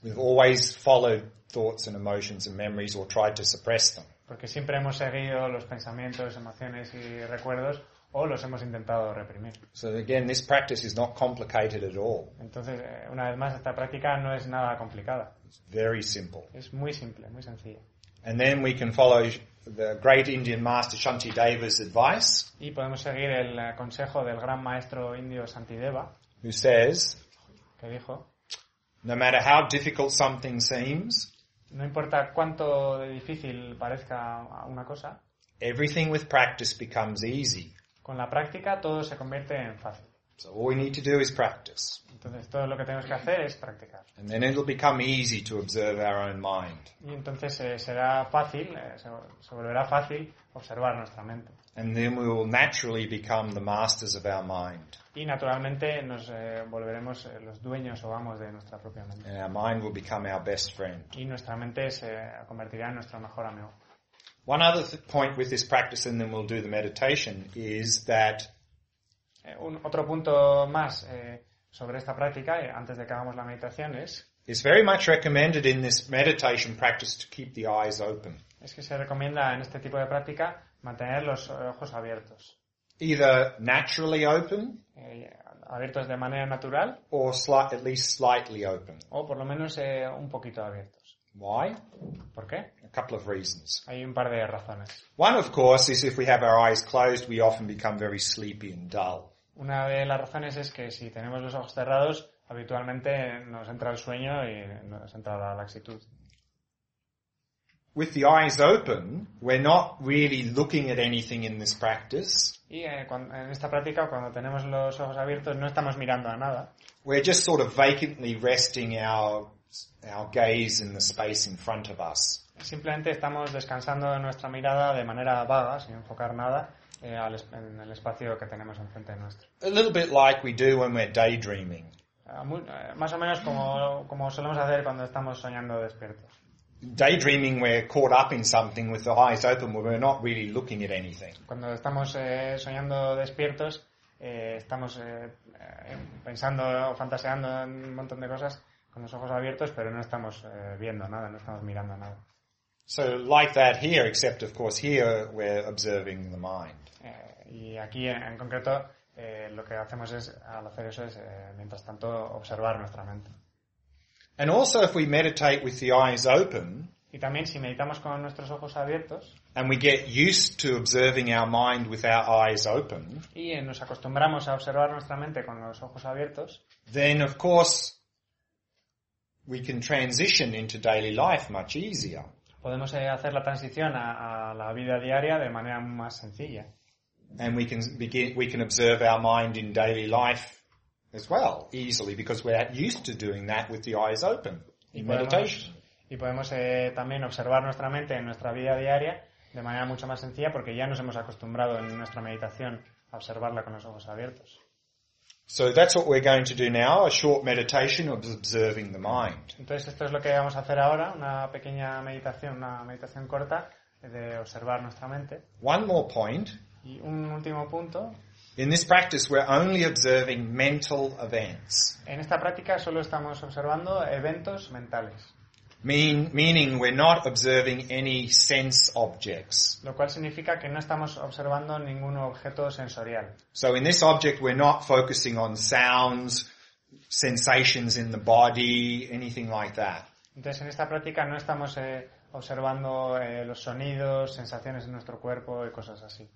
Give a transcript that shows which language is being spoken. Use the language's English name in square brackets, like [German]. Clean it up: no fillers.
[English] We've always followed thoughts and emotions and memories or tried to suppress them. [Spanish] porque siempre hemos seguido los pensamientos, emociones y recuerdos, o los hemos intentado reprimir. [English] So again, this practice is not complicated at all. [Spanish] Entonces, una vez más, esta práctica no es nada complicada. [English] It's very simple. [Spanish] Es muy simple, muy sencilla. [English] And then we can follow the great Indian master Shantideva's advice. [Spanish] Y podemos seguir el consejo del gran maestro indio Shantideva, [English] who says, [Spanish] que dijo, [English] no matter how difficult something seems, [Spanish] no importa cuánto difícil parezca una cosa, [English] everything with practice becomes easy. [Spanish] Con la práctica todo se convierte en fácil. [English] So all we need to do is practice. [Spanish] Entonces todo lo que tenemos que hacer es practicar. [English] And then it'll become easy to observe our own mind. [Spanish] Y entonces será fácil, se volverá fácil observar nuestra mente. [English] And then we will naturally become the masters of our mind. [Spanish] Y naturalmente nos volveremos los dueños o amos de nuestra propia mente. [English] And our mind will become our best friend. [Spanish] Y nuestra mente se convertirá en nuestro mejor amigo. [English] One other point with this practice, and then we'll do the meditation, is that [Spanish] otro punto más sobre esta práctica antes de que hagamos la meditación es, [English] it's very much recommended in this meditation practice to keep the eyes open. [Spanish] Es que se recomienda en este tipo de práctica mantener los ojos abiertos. [English] Either naturally open, [Spanish] abiertos de manera natural, [English] or at least slightly open. [Spanish] O por lo menos un poquito abiertos. [English] Why? [Spanish] ¿Por qué? [English] A couple of reasons. [Spanish] Hay un par de razones. [English] One, of course, is if we have our eyes closed, we often become very sleepy and dull. [Spanish] Una de las razones es que si tenemos los ojos cerrados, habitualmente nos entra el sueño y nos entra la laxitud. [English] With the eyes open, we're not really looking at anything in this practice. [Spanish] Y en esta práctica, cuando tenemos los ojos abiertos, no estamos mirando a nada. [English] We're just sort of vacantly resting our gaze in the space in front of us. [Spanish] Simplemente estamos descansando nuestra mirada de manera vaga, sin enfocar nada en el espacio que tenemos enfrente nuestro. [English] A little bit like we do when we're daydreaming. [Spanish] Más o menos como solemos hacer cuando estamos soñando despiertos. [English] Daydreaming, we're caught up in something with the eyes open, but we're not really looking at anything. [Spanish] Cuando estamos soñando despiertos, estamos pensando o fantaseando en un montón de cosas con los ojos abiertos, pero no estamos viendo nada, no estamos mirando nada. [English] So like that here, except of course here we're observing the mind. [Spanish] Y aquí en concreto lo que hacemos es, al hacer eso es, mientras tanto, observar nuestra mente. [English] And also if we meditate with the eyes open, [Spanish] y también si meditamos con nuestros ojos abiertos, [English] and we get used to observing our mind with our eyes open, [Spanish] y nos acostumbramos a observar nuestra mente con los ojos abiertos, [English] then of course we can transition into daily life much easier. [Spanish] Podemos hacer la transición a la vida diaria de manera más sencilla. [English] And we can observe our mind in daily life as well, easily, because we're used to doing that with the eyes open in meditation. [Spanish] Y podemos también observar nuestra mente en nuestra vida diaria de manera mucho más sencilla, porque ya nos hemos acostumbrado en nuestra meditación a observarla con los ojos abiertos. [English] So that's what we're going to do now, a short meditation of observing the mind. [Spanish] Entonces esto es lo que vamos a hacer ahora, una pequeña meditación, una meditación corta de observar nuestra mente. [English] One more point. [Spanish] Y un último punto. [English] In this practice we're only observing mental events. [Spanish] En esta práctica solo estamos observando eventos mentales. [English] Meaning we're not observing any sense objects. [Spanish] Lo cual significa que no estamos observando ningún objeto sensorial. [English] So in this object we're not focusing on sounds, sensations in the body, anything like that. [Spanish] Entonces en esta práctica no estamos observando los sonidos, sensaciones en nuestro cuerpo y cosas así.